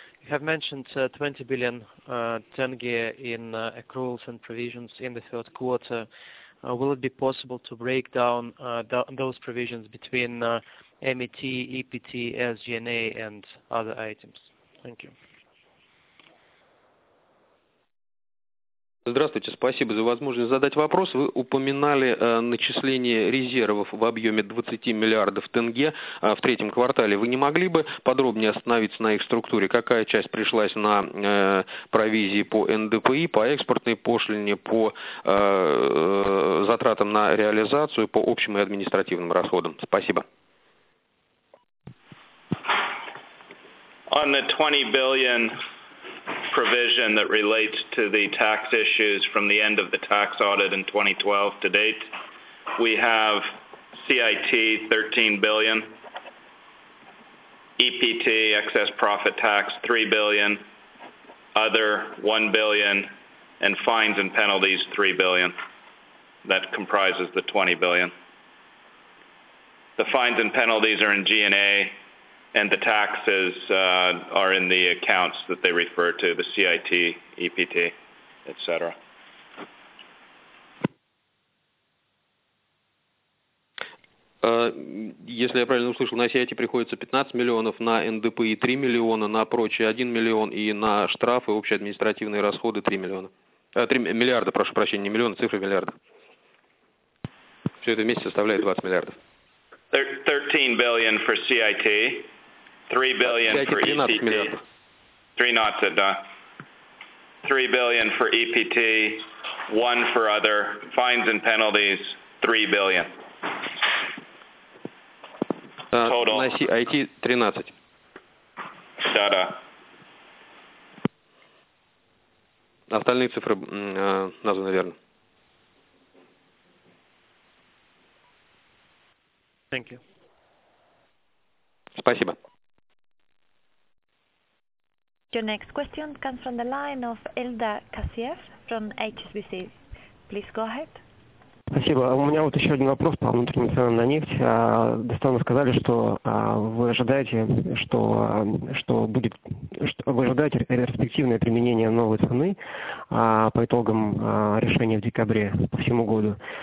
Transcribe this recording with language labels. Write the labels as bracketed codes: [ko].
[en] You have mentioned 20 billion tenge in accruals and provisions in the third quarter. Will it be possible to break down those provisions between MET, EPT, SG&A and other items? Thank you. [ru] Здравствуйте, спасибо за возможность задать вопрос. Вы упоминали начисление резервов в объеме 20 миллиардов тенге в третьем квартале. Вы не могли бы подробнее остановиться на их структуре? Какая часть пришлась на провизии по НДПИ, по экспортной пошлине, по затратам на реализацию, по общим и административным расходам? Спасибо. [en] On the 20 billion provision that relates to the tax issues from the end of the tax audit in 2012 to date. We have CIT 13 billion, EPT excess profit tax 3 billion, other 1 billion, and fines and penalties 3 billion. That comprises the 20 billion. The fines and penalties are in G&A. And the taxes are in the accounts that they refer to, the CIT, EPT, et cetera. [ru] Если я правильно услышал, на CIT приходится 15 миллионов, на НДПИ 3 миллиона, на прочие 1 миллион и на штрафы, общие административные расходы 3 миллиона. 3 миллиарда, прошу прощения, не миллиона, цифры миллиарда. Все это вместе составляет 20 миллиардов. [en] 13 billion for CIT. 3 billion for EPT. 3 knots, [ru] да. [en] 3 billion for EPT, 1 for other fines and penalties, 3 billion. Total. [ru] На CIT 13. Да-да. Остальные цифры названы верно. [en] Thank you. [ru] Спасибо. [en] Your next question comes from the line of Elda Kasiev from HSBC. Please go ahead. [ru] Спасибо. У меня вот еще один вопрос по внутренним ценам на нефть. Достаточно сказали, что вы ожидаете, что вы ожидаете ретроспективное применение новой цены по итогам решения в декабре по всему году.